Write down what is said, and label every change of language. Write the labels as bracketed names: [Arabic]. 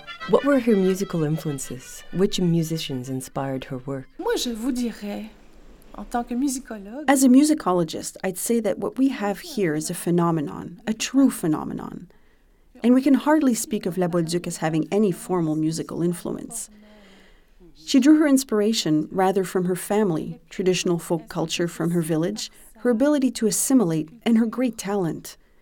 [English] What were her musical influences? Which musicians inspired her work? [French] Moi, je vous dirais, en tant que musicologue... [English] As a musicologist, I'd say that what we have here is a phenomenon, a true phenomenon. And we can hardly speak of La Bolduc as having any formal musical influence. She drew her inspiration rather from her family, traditional folk culture from her village, her ability to assimilate, and her great talent.